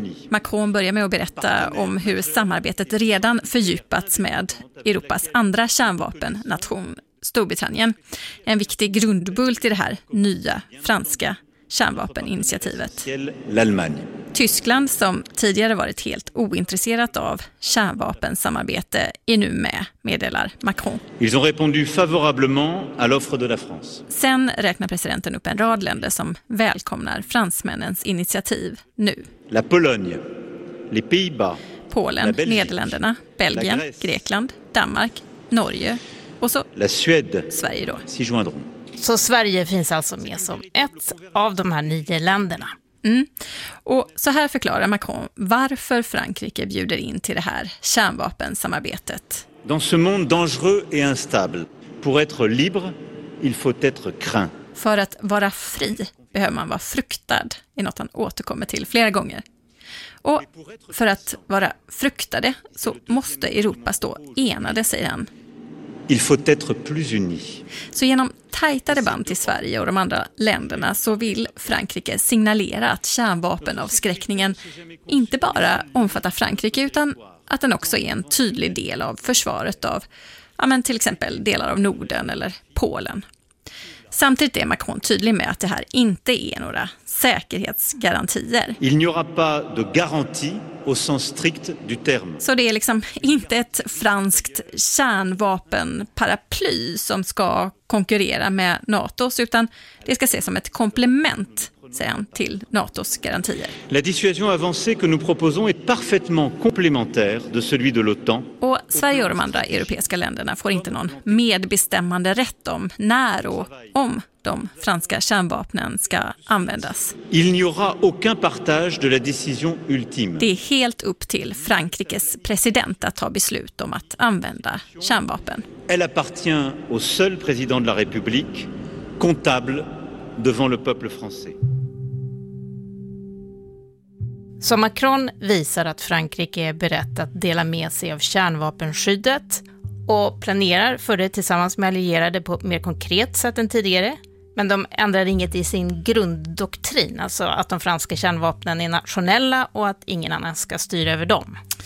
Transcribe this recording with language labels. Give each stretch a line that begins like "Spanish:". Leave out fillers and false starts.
Swedish: Macron börjar med att berätta om hur samarbetet redan fördjupats med Europas andra kärnvapennation, Storbritannien. En viktig grundbult i det här nya franska kärnvapeninitiativet. Tyskland, som tidigare varit helt ointresserat av kärnvapensamarbete, är nu med, meddelar Macron.
French: Ils ont répondu favorablement à l'offre de la France.
Swedish: Sen räknar presidenten upp en rad länder som välkomnar fransmännens initiativ nu.
French: La Pologne, les Pays-Bas,
Swedish: Polen, Belgique, Nederländerna, Belgien, Grèce, Grekland, Danmark, Norge och så
French: la Suède,
Swedish: Sverige då.
French: S'y joindront.
Swedish: Så Sverige finns alltså med som ett av de här nio länderna. Mm. Och så här förklarar Macron varför Frankrike bjuder in till det här kärnvapensamarbetet.
French: Dans ce monde dangereux et instable, pour être libre, il faut être craint.
Swedish: För att vara fri behöver man vara fruktad, är något han återkommer till flera gånger. Och för att vara fruktade så måste Europa stå enade, säger han.
French: Il faut être plus uni.
Swedish: Så genom tajtare band till Sverige och de andra länderna så vill Frankrike signalera att kärnvapenavskräckningen inte bara omfattar Frankrike utan att den också är en tydlig del av försvaret av ja, men till exempel delar av Norden eller Polen. Samtidigt är Macron tydlig med att det här inte är några säkerhetsgarantier.
French: Il n'y aura pas de garantie au sens strict du terme.
Swedish: Så det är liksom inte ett franskt kärnvapenparaply som ska konkurrera med NATOs, utan det ska ses som ett komplement, säger han, till NATOs garantier.
French: La dissuasion avancée que nous proposons est parfaitement complémentaire de celui de l'OTAN.
Swedish: Och Sverige och de andra europeiska länderna får inte någon medbestämmande rätt om när och om de franska kärnvapnen ska användas.
French: Il n'y aura aucun partage de la décision ultime.
Swedish: Det är helt upp till Frankrikes president att ta beslut om att använda kärnvapen.
French: Elle appartient au seul président de la République, comptable devant le peuple français.
Swedish: Så Macron visar att Frankrike är berett att dela med sig av kärnvapenskyddet och planerar för det tillsammans med allierade på ett mer konkret sätt än tidigare. Men de ändrade inget i sin grunddoktrin, alltså att de franska kärnvapnen är nationella och att ingen annan ska styra över dem.